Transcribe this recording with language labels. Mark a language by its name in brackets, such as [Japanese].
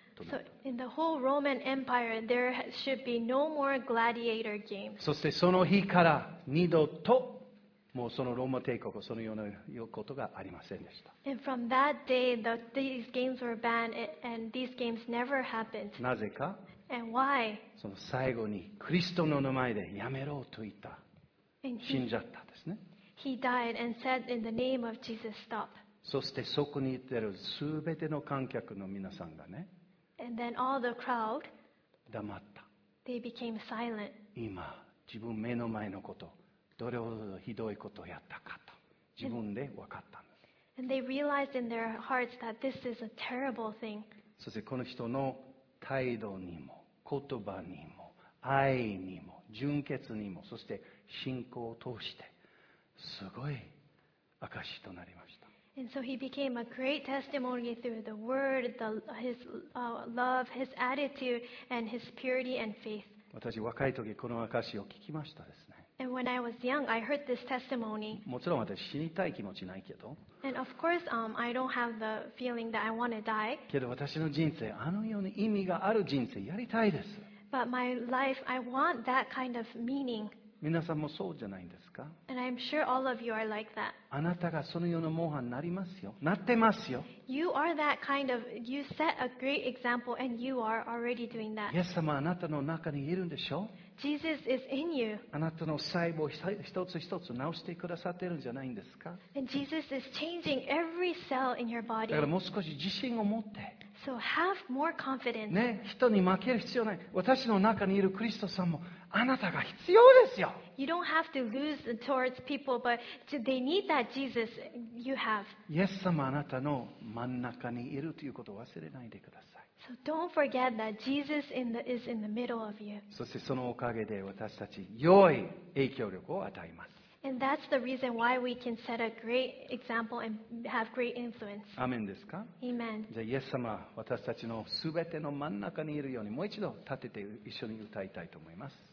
[English] So in the whole Roman Empire, there should be no more gladiator games. [Japanese] そしてその日から二度ともうそのローマ帝国そのようなことがありませんでした。 [English] And from that day, these games were banned, and these games never happened. [Japanese] なぜか。 [English] And why? [Japanese] その最後にクリストの名前でやめろと言った。死んじゃったですね。 [English] He died and said in the name of Jesus, stop. [Japanese] そしてそこにいてるすべての観客の皆さんがね。 [English] And then all the crowd. [Japanese] 黙った。 [English] They became silent. [Japanese] 今自分目の前のこと。どれほどひどいことをやったかと自分で分かったんです。 [English] And they realized in their hearts that this is a terrible thing. [Japanese] そしてこの人の態度にも言葉にも愛にも純潔にもそして信仰を通してすごい証となりました。 [English] And so he became a great testimony through the word, the, his love, his attitude, and his purity and faith. [Japanese] 私若い時この証を聞きましたですね。 [English] And when I was young, I heard this testimony. [Japanese] もちろん私死にたい気持ちないけど。 [English] And of course, I don't have the feeling that I want to die. [Japanese] けど私の人生、あのように意味がある人生やりたいです。 [English] But my life, I want that kind of meaning. [Japanese] 皆さんもそうじゃないですか。 [English] And I'm sure all of you are like that. [Japanese] あなたがそのような模範になりますよ。なってますよ。 [English] You are that kind of, you set a great example and you are already doing that. [Japanese] イエス様はあなたの中にいるんでしょう。 [English] Jesus is in you. [Japanese] あなたの細胞一つ一つ直してくださってるんじゃないんですか。 [English] And Jesus is changing every cell in your body. [Japanese] だからもう少し自信を持って。 [English] So have more confidence. [Japanese] ね、人に負ける必要ない。私の中にいるクリストさんもあなたが必要ですよ。 [English] You don't have to lose towards people, but they need that Jesus you have. [Japanese] イエス様あなたの真ん中にいるということを忘れないでください。 [English] So don't forget that Jesus is in the middle of you. [Japanese] そしてそのおかげで私たち良い影響力を与えます。 [English] And that's the reason why we can set a great example and have great influence. [Japanese] アメンですか? [English] Amen. [Japanese] じゃあイエス様、私たちのすべての真ん中にいるようにもう一度立てて一緒に歌いたいと思います。